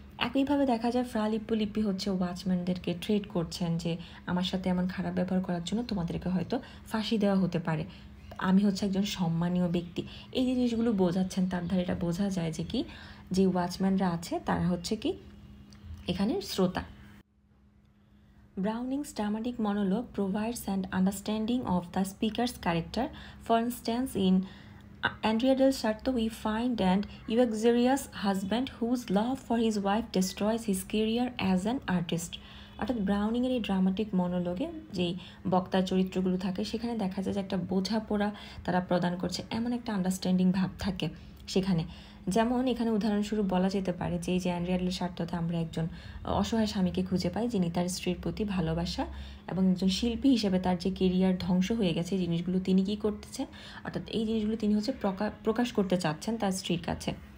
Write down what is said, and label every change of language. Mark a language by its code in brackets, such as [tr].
[bn] একইভাবে দেখা যায় ফ্রালিপ্পো লিপি হচ্ছে ওয়াচম্যানদেরকে থ্রেট করছেন যে আমার সাথে এমন খারাপ ব্যবহার করার জন্য তোমাদেরকে হয়তো ফাঁসি দেওয়া হতে পারে, আমি হচ্ছে একজন সম্মানীয় ব্যক্তি. এই জিনিসগুলো বোঝাচ্ছেন, তার ধারে এটা বোঝা যায় যে কি যে ওয়াচম্যানরা আছে তারা হচ্ছে কি এখানে শ্রোতা. [en] Browning's dramatic monologue provides an understanding of the speaker's character. For instance, in Andrea del Sarto, we find an uxorious husband whose love for his wife destroys his career as an artist. [bn] অর্থাৎ ব্রাউনিংয়ের এই dramatic মনোলগে যেই বক্তার চরিত্রগুলো থাকে সেখানে দেখা যায় যে একটা বোঝাপড়া তারা প্রদান করছে, এমন একটা আন্ডারস্ট্যান্ডিং ভাব থাকে সেখানে. যেমন এখানে উদাহরণস্বরূপ বলা যেতে পারে যে এই যে অ্যান্ড্রিয়া ডেল সার্তোতে আমরা একজন অসহায় স্বামীকে খুঁজে পাই যিনি তার স্ত্রীর প্রতি ভালোবাসা এবং একজন শিল্পী হিসেবে তার যে কেরিয়ার ধ্বংস হয়ে গেছে জিনিসগুলো তিনি কী করতেছেন, অর্থাৎ এই জিনিসগুলো তিনি হচ্ছে প্রকাশ করতে চাচ্ছেন তার স্ত্রীর কাছে.